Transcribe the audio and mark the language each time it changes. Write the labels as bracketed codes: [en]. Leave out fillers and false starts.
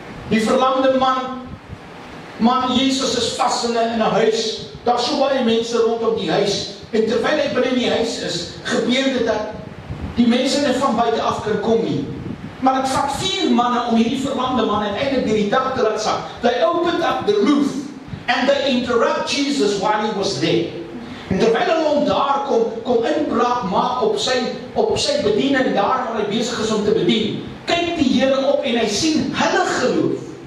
[af] Die verlamde man Jesus is vast in een huis, daar so baie mense rondom die huis, en terwyl hy binnen die huis is, gebeur dit dat die mense nie van buiten af kan kom nie. Maar het vat vier manne om hierdie verlamde man uiteindelik deur die dak te laat sak. [en] They opened up the roof, and they interrupt Jesus while he was there. [af] En terwyl hulle om daar kom inbraak maak op sy bediening daar waar hy besig is om te bedien, kyk die Here op en hy sien hulle geloof.